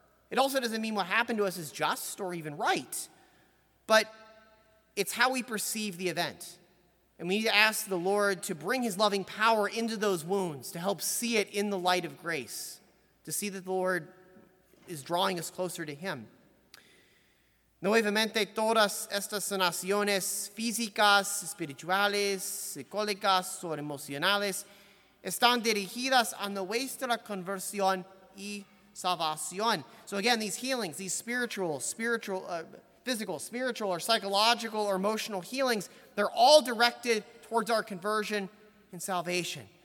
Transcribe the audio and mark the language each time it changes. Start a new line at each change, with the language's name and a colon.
English: It also doesn't mean what happened to us is just or even right. But it's how we perceive the event. And we need to ask the Lord to bring His loving power into those wounds, to help see it in the light of grace, to see that the Lord is drawing us closer to Him.
Spanish: Nuevamente, todas estas sanaciones físicas, espirituales, psicológicas o emocionales están dirigidas a nuestra conversión y salvación.
English: So again, these healings, these physical, spiritual, or psychological, or emotional healings, they're all directed towards our conversion and salvation.